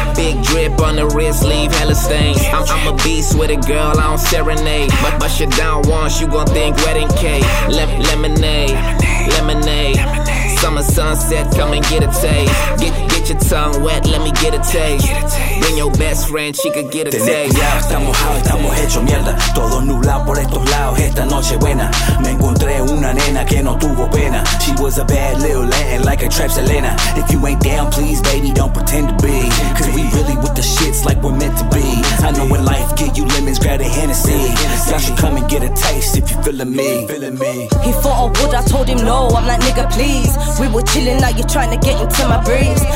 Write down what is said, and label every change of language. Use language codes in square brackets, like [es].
[en] Big drip on the wrist, leave hella stains. I'm a beast with a girl, I don't serenade. But bust you down once, you gon' think wedding cake. Lemonade. Summer sunset, come and get a taste. Get your tongue wet, let me get a taste. Bring your best friend, she could get a taste. [es] Tené cuidado, está mojado, estamos hecho mierda. Todo nublado por estos lados, esta noche buena. Me encontré una nena que no tuvo pena. [en] She was a bad little lady, like a trap Selena. If you ain't down, please, baby, don't pretend to be. Cause we really with the shits like we're meant to be. I know when life get you lemons, grab a Hennessy. Y'all should come and get a taste if you feeling me. He thought I would, I told him no, I'm like, nigga, please. We were chilling, now you're trying to get into my briefs.